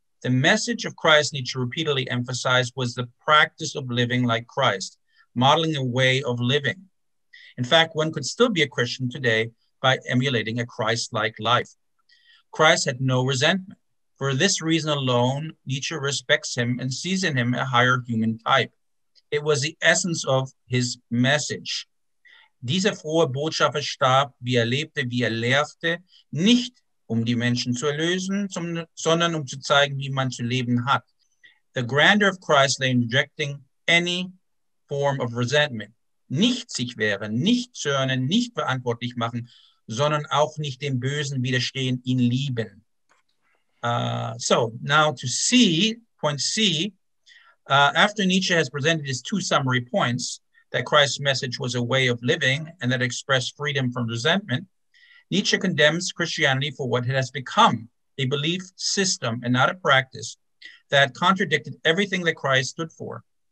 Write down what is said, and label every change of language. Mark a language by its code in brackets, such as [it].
[en] The message of Christ, Nietzsche repeatedly emphasized, was the practice of living like Christ, modeling a way of living. In fact, one could still be a Christian today by emulating a Christ-like life. Christ had no resentment. For this reason alone, Nietzsche respects him and sees in him a higher human type. It was the essence of his message. [de] Diese frohe Botschaft starb, wie er lebte, wie er lehrte, nicht um die Menschen zu erlösen, sondern um zu zeigen, wie man zu leben hat. [en] The grandeur of Christ lay in rejecting any form of resentment. [de] Nicht sich wehren, nicht zürnen, nicht verantwortlich machen, sondern auch nicht dem Bösen widerstehen, ihn lieben. [en] So now to C, point C, after Nietzsche has presented his two summary points, that Christ's message was a way of living and that expressed freedom from resentment, Nietzsche condemns Christianity for what it has become, a belief system and not a practice that contradicted everything that Christ stood for.